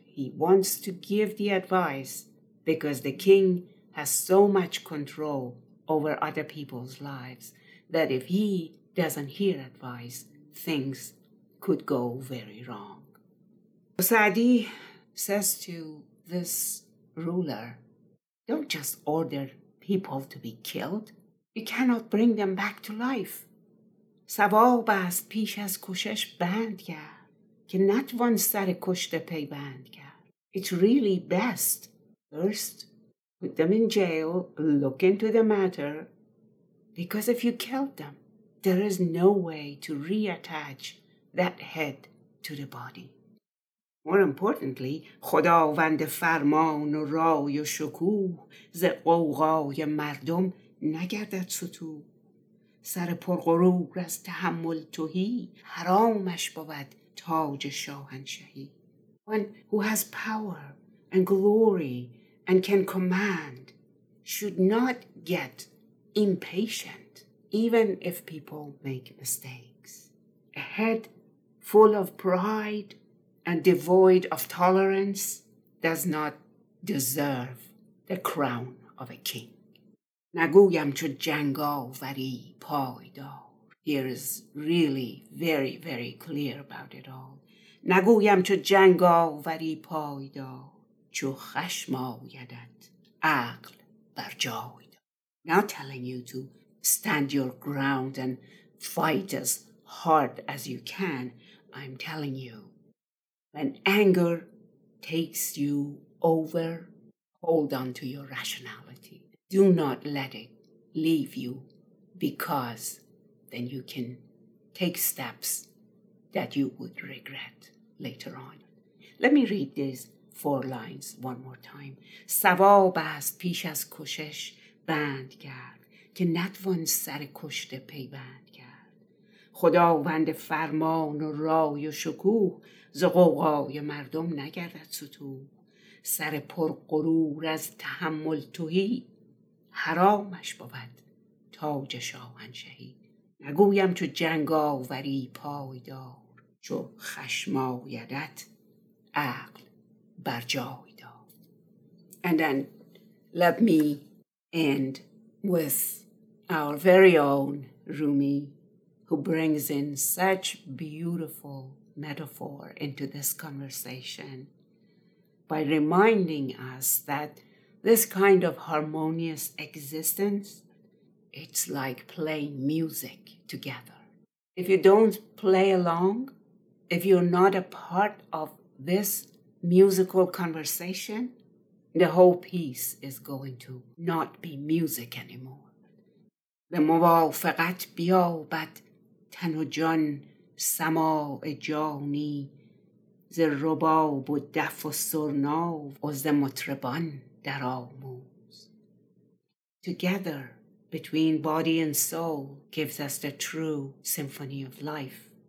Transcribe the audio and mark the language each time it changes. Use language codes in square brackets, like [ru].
[en] He wants to give the advice because the king has so much control over other people's lives that if he doesn't hear advice, things could go very wrong. Saadi says to this ruler, don't just order people to be killed. You cannot bring them back to life. [fa] سواب است پیش از کشش بند کرد که نتوان سر کشته پیوند کرد. [en] It's really best first put them in jail, look into the matter, because if you killed them, there is no way to reattach that head to the body. More importantly, [fa] خداوند فرمان و رای و شکوه ز قوغای مردم نگردد ستو. سر پرغرور از تحمل توهی حرامش بود تاج شاهنشهی. [en] One who has power and glory and can command should not get impatient, even if people make mistakes. A head full of pride and devoid of tolerance does not deserve the crown of a king. [fa] نگویم چو جنگاوری پایدار. [en] Here is really very, very clear about it all. [fa] نگویم چو جنگاوری پایدار. چو خشم آیدت عقل بر جایدار. [en] Now telling you to stand your ground and fight as hard as you can, I'm telling you, when anger takes you over, hold on to your rationality. Do not let it leave you, because then you can take steps that you would regret later on. Let me read these four lines one more time. [fa] ثواب است پیش از کوشش بند کرد که نتوان سر کشته پیوند کرد. خداوند فرمان و رای و شکوه ز قوقای مردم نگردد ستوه. سر پر غرور از تحمل تهی حرامش بود تاج شاهنشهی. نگویم چو جنگ آوری پای دار چو خشم آیدت عقل بر جای دار. [en] And then let me end with our very own Rumi, who brings in such beautiful metaphor into this conversation by reminding us that this kind of harmonious existence, it's like playing music together. If you don't play along, if you're not a part of this musical conversation, the whole piece is going to not be music anymore. [fa] به موافقت بیابد تن و جان سماع جانی ز رباب و دف و سرنا و ز مطربان در آموز. [en] Together, between body and soul, gives us the true symphony of life.